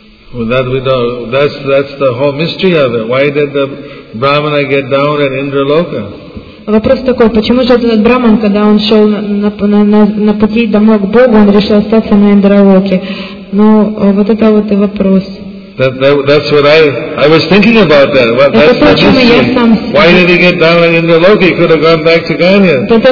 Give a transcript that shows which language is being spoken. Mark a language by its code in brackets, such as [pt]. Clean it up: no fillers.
[en] Well, that we know, that's the whole mystery of it. Why did the Brahmana get down at Indraloka? [ru] Вопрос такой: почему же этот Браман, когда он шел на пути домой к Богу, он решил остаться на Индралоке? Ну, вот это вот и вопрос. [en] That's what I was thinking about that. That's the mystery. Why did he get down at Indraloka? He could have gone back to Ganya.